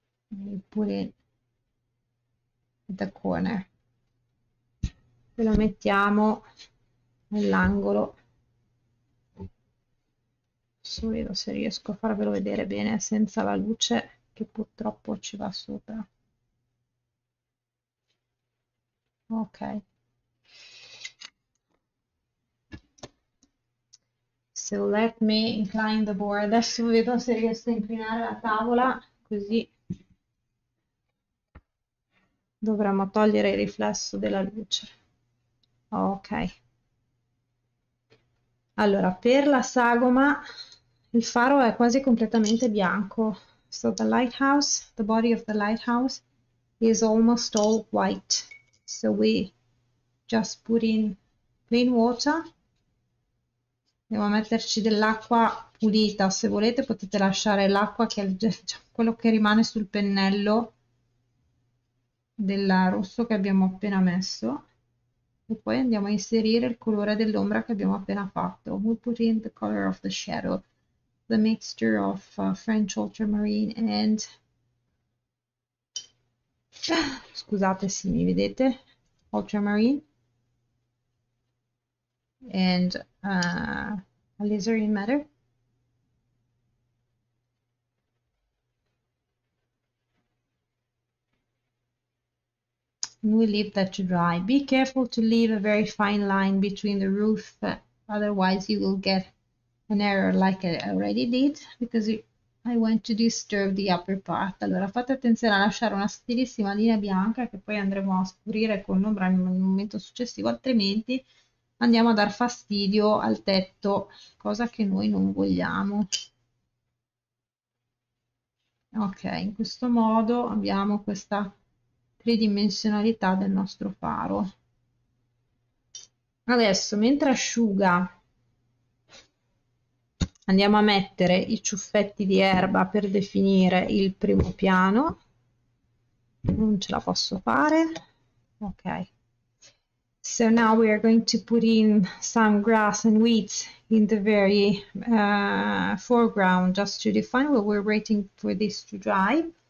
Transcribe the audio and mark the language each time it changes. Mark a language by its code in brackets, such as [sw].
[en] And you put it at the corner. [it] E lo mettiamo nell'angolo. Adesso vedo se riesco a farvelo vedere bene senza la luce, che purtroppo ci va sopra. Ok. [en] So let me incline the board. [it] Adesso vedo se riesco a inclinare la tavola, così dovremmo togliere il riflesso della luce. Ok. Allora, per la sagoma il faro è quasi completamente bianco. [en] So the lighthouse, the body of the lighthouse is almost all white. So we just put in plain water. [it] Devo metterci dell'acqua pulita. Se volete potete lasciare l'acqua che è quello che rimane sul pennello del rosso che abbiamo appena messo. E poi andiamo a inserire il colore dell'ombra che abbiamo appena fatto. [en] We'll put in the color of the shadow. The mixture of French ultramarine and [it] scusate se mi vedete [en] ultramarine and alizarin matter. And we leave that to dry. Be careful to leave a very fine line between the roof, otherwise you will get an error like I already did because I want to disturb the upper part. [it] Allora fate attenzione a lasciare una sottilissima linea bianca che poi andremo a scurire con l'ombra nel momento successivo, altrimenti andiamo a dar fastidio al tetto, cosa che noi non vogliamo. Ok, in questo modo abbiamo questa tridimensionalità del nostro faro. Adesso mentre asciuga andiamo a mettere i ciuffetti di erba per definire il primo piano. Non ce la posso fare. Ok. [en] So now we are going to put in some grass and weeds in the very foreground just to define what we're waiting for this to dry.